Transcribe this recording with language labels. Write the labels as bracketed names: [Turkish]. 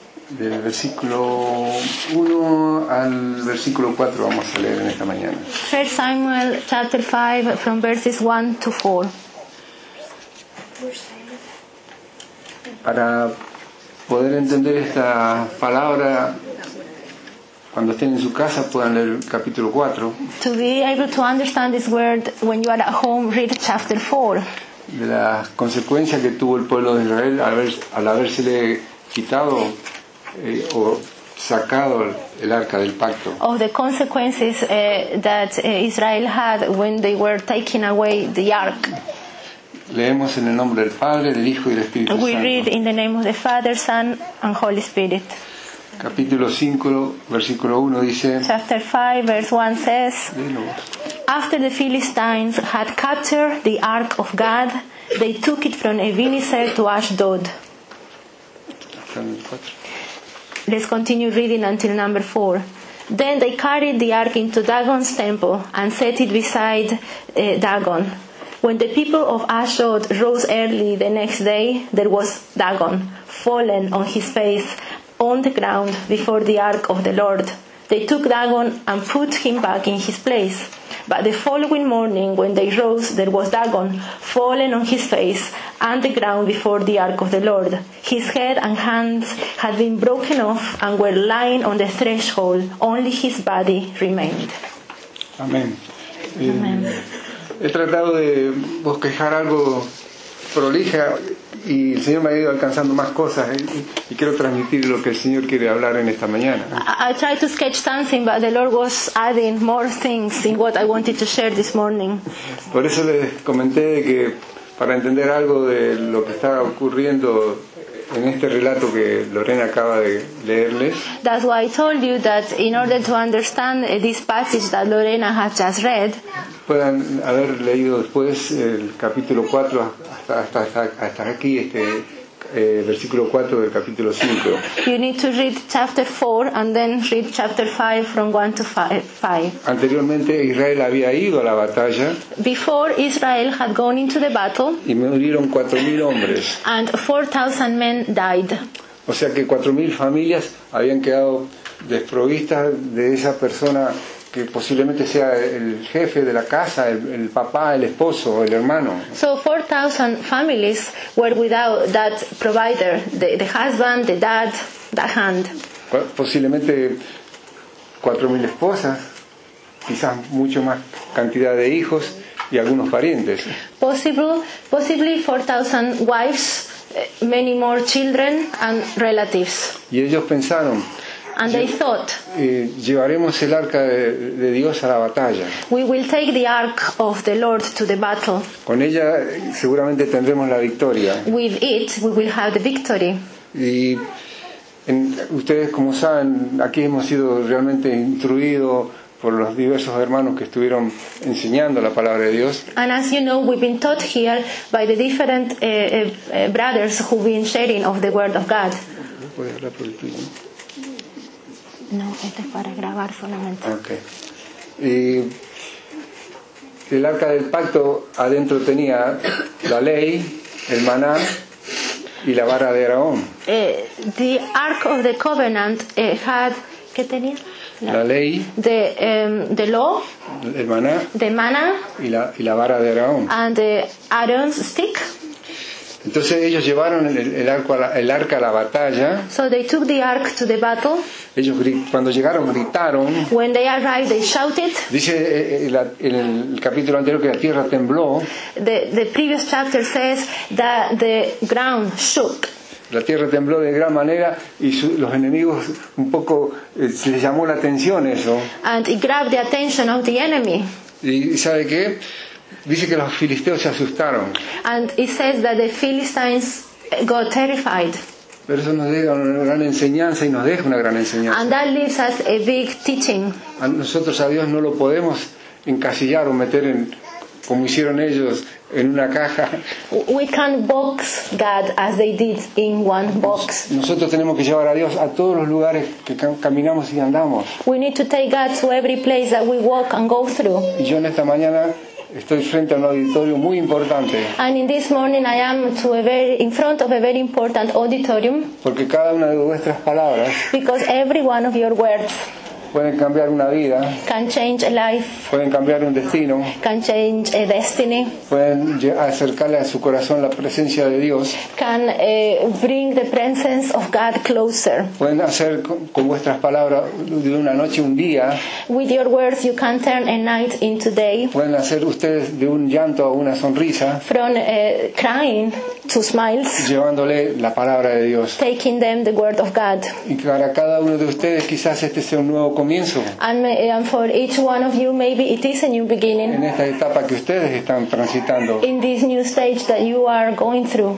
[Spanish] del versículo 1 al versículo 4 vamos a leer en esta mañana. [English] 1 Samuel, chapter 5, from verses 1 to 4. [Spanish] Para poder entender esta palabra, cuando estén en su casa puedan leer el capítulo 4. [English] To be able to understand this word when you are at home, read chapter 4. [Spanish] De las consecuencias que tuvo el pueblo de Israel al habérsele quitado o sacado el arca del pacto. [English] Of the consequences that Israel had when they were taking away the ark. [Spanish] Leemos en el nombre del Padre, del Hijo y del Espíritu Santo. [English] We read in the name of the Father, Son and Holy Spirit. [Spanish] Capítulo 5, versículo 1 dice. [English] Chapter 5, verse 1 says. After the Philistines had captured the Ark of God, they took it from Ebenezer to Ashdod. Let's continue reading until number 4. Then they carried the Ark into Dagon's temple and set it beside Dagon. When the people of Ashdod rose early the next day, there was Dagon, fallen on his face on the ground before the Ark of the Lord. They took Dagon and put him back in his place. But the following morning, when they rose, there was Dagon, fallen on his face, on the ground before the ark of the Lord. His head and hands had been broken off and were lying on the threshold. Only his body remained. Amen. Amen. [Spanish] He tratado de bosquejar algo prolija y el Señor me ha ido alcanzando más cosas y quiero transmitir lo que el Señor quiere hablar en esta mañana. [English] I tried to sketch something, but the Lord was adding more things in what I wanted to share this morning. [Spanish] Por eso les comenté que para entender algo de lo que está ocurriendo en este relato que Lorena acaba de leerles. [English] That's why I told you that in order to understand this passage that Lorena has just read. [Spanish] Puedan haber leído después el capítulo 4 hasta aquí, versículo 4 del capítulo 5. [English] You need to read chapter 4 and then read chapter 5 from 1 to 5. [Spanish] Anteriormente Israel había ido a la batalla. [English] Before Israel had gone into the battle. [Spanish] Y murieron 4,000 hombres. [English] And 4,000 men died. [Spanish] O sea que 4,000 familias habían quedado desprovistas de esa persona que posiblemente sea el jefe de la casa, el papá, el esposo, el hermano. [English] So 4,000 families were without that provider, the husband, the dad, that hand. [Spanish] Posiblemente 4,000 esposas, quizás mucho más cantidad de hijos y algunos parientes. [English] Possibly 4,000 wives, many more children and relatives. [Spanish] Y ellos pensaron, [English] and they thought, [Spanish] llevaremos el arca de Dios a la batalla. [English] We will take the ark of the Lord to the battle. [Spanish] Con ella seguramente tendremos la victoria. [English] With it we will have the victory. [Spanish] Y ustedes, como saben, aquí hemos sido realmente instruidos por los diversos hermanos que estuvieron enseñando la palabra de Dios. [English] And as you know, we've been taught here by the different brothers who've been sharing of the word of God. [Spanish] ¿Puedes hablar por el tuyo? No, este es para grabar solamente. [English] Okay. [Spanish] Y el arca del pacto adentro tenía la ley, el maná y la vara de Aarón. [English] The ark of the covenant had, [Spanish] ¿qué tenía? La ley. [English] The law. [Spanish] El maná. [English] The manna. [Spanish] Y la vara de Aarón. [English] And the Aaron's stick. [Spanish] Entonces ellos llevaron el arca a la batalla. [English] So they took the ark to the battle. [Spanish] Ellos cuando llegaron gritaron. [English] When they arrived, they shouted. [Spanish] Dice en el capítulo anterior que la tierra tembló. [English] The previous chapter says that the ground shook. [Spanish] La tierra tembló de gran manera y los enemigos un poco se les llamó la atención eso. [English] And it grabbed the attention of the enemy. [Spanish] ¿Y sabe qué? Dice que los filisteos se asustaron. [English] And it says that the Philistines got terrified. [Spanish] Pero eso nos deja una gran enseñanza y nos deja una gran enseñanza. [English] And that leaves us a big teaching. [Spanish] A nosotros, a Dios, no lo podemos encasillar o meter en, como hicieron ellos, en una caja. [English] We can't box God as they did in one box. [Spanish] Nosotros tenemos que llevar a Dios a todos los lugares que caminamos y andamos. [English] We need to take God to every place that we walk and go through. [Spanish] Y yo en esta mañana estoy frente a un auditorio muy importante. [English] And in this morning I am to a very, in front of a very important auditorium. [Spanish] Porque cada una de vuestras palabras, [English] because every one of your words, [Spanish] pueden cambiar una vida, [English] can change a life, [Spanish] pueden cambiar un destino, [English] can change a destiny, [Spanish] pueden acercarle a su corazón la presencia de Dios, [English] can bring the presence of God closer, [Spanish] pueden hacer con vuestras palabras de una noche un día, [English] with your words you can turn a night into day, [Spanish] pueden hacer ustedes de un llanto a una sonrisa, [English] from crying to smiles, [Spanish] llevándole la palabra de Dios, [English] taking them the word of God. [Spanish] Y para cada uno de ustedes quizás este sea un nuevo comienzo. [English] And for each one of you, maybe it is a new beginning. [Spanish] En esta etapa que ustedes están transitando. [English] In this new stage that you are going through.